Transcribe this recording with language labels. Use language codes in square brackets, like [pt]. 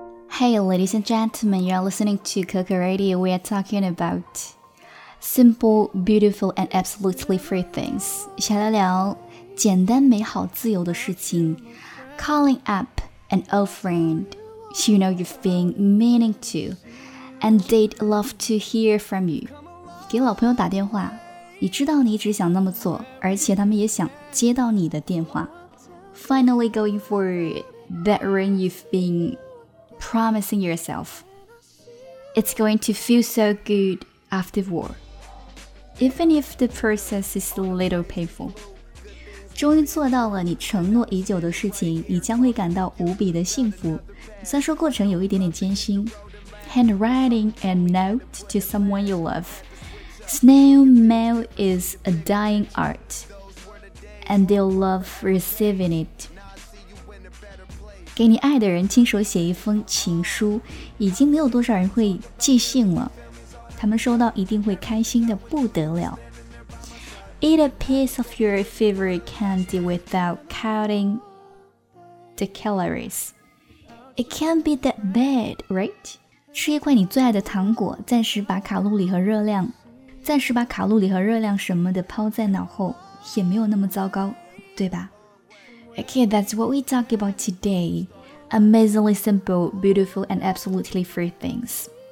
[en] Hey, ladies and gentlemen, you're listening to Coco Radio. We are talking about simple, beautiful, and absolutely free things. [zh] 想聊聊简单、美好、自由的事情。 [en] Calling up an old friend you know you've been meaning to, and they'd love to hear from you. [zh] 给老朋友打电话，你知道你一直想那么做，而且他们也想接到你的电话。 [en] Finally going for that ring you've been promising yourself. It's going to feel so good afterward. Even if the process is a little painful. [zh] 终于做到了你承诺已久的事情，你将会感到无比的幸福。虽然说过程有一点点艰辛。 [en] Handwriting a note to someone you love. Snail mail is a dying art. And they'll love receiving it. [zh] 给你爱的人亲手写一封情书，已经没有多少人会寄信了，他们收到一定会开心的不得了。 [en] Eat a piece of your favorite candy without counting the calories. It can't be that bad, right? [zh] 吃一块你最爱的糖果，暂时把卡路里和热量什么的抛在脑后，也没有那么糟糕，对吧？ [en] Okay, that's what we talk about today. Amazingly simple, beautiful, and absolutely free things.